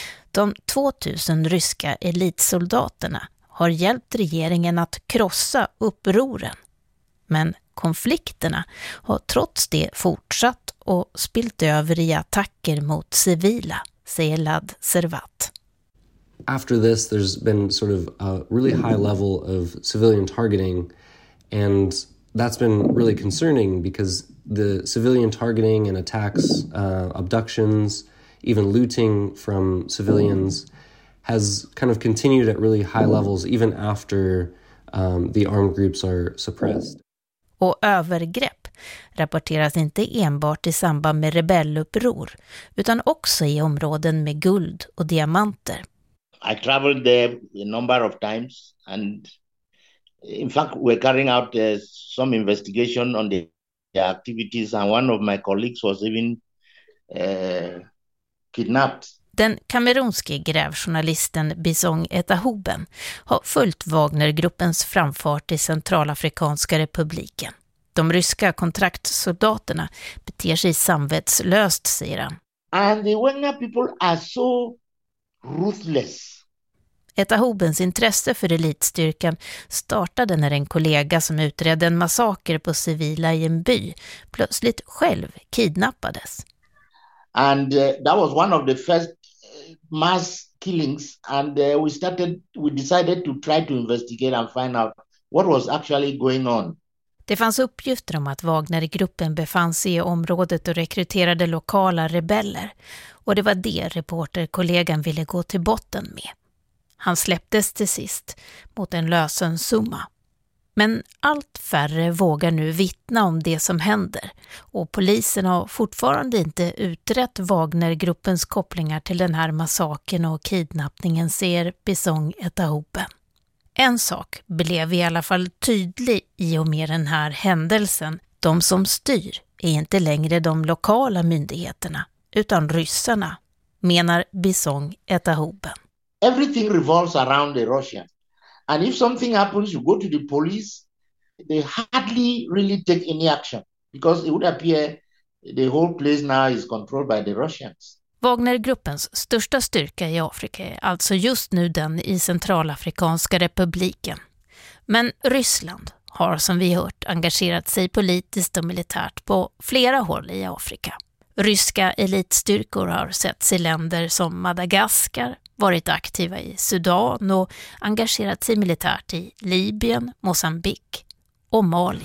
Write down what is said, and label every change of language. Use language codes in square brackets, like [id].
[sv] De 2000 ryska elitsoldaterna har hjälpt regeringen att krossa upproren, men konflikterna har trots det fortsatt och spilt över i attacker mot civila, säger Ladd Servat. [en] After this there's been sort of a really high level of civilian targeting and that's been really concerning because the civilian targeting and attacks, abductions, even looting from civilians has kind of continued at really high levels even after the armed groups are suppressed. [sv] Och övergrepp rapporteras inte enbart i samband med rebelluppror utan också i områden med guld och diamanter. [en] I traveled there a number of times and in fact we're carrying out some investigation on the activities and one of my colleagues was even kidnapped. [sv] Den kamerunske grävjournalisten Bisong Etahoben har följt Wagnergruppens framfart i Centralafrikanska republiken. De ryska kontraktsoldaterna beter sig samvetslöst, säger han. [en] And the Wagner people are so ruthless. [sv] Etahobens intresse för elitstyrkan startade när en kollega som utredde en massaker på civila i en by plötsligt själv kidnappades. [en] And that was one of the first mass killings and we decided to try to investigate and find out what was actually going on. [sv] Det fanns uppgifter om att Wagnergruppen befann sig i området och rekryterade lokala rebeller och det var det reporterkollegan ville gå till botten med. Han släpptes till sist mot en lösensumma. Men allt färre vågar nu vittna om det som händer och polisen har fortfarande inte utrett Wagnergruppens kopplingar till den här massaken och kidnappningen, ser Bisong Etahope. En sak blev i alla fall tydlig i och med den här händelsen. De som styr är inte längre de lokala myndigheterna, utan ryssarna, menar Bisong Etahoben. [en] Everything revolves around the Russians. And if something happens, you go to the police, they hardly really take any action. Because it would appear the whole place now is controlled by the Russians. [sv] Wagnergruppens största styrka i Afrika är alltså just nu den i Centralafrikanska republiken. Men Ryssland har, som vi hört, engagerat sig politiskt och militärt på flera håll i Afrika. Ryska elitstyrkor har setts i länder som Madagaskar, varit aktiva i Sudan och engagerat sig militärt i Libyen, Mosambik och Mali.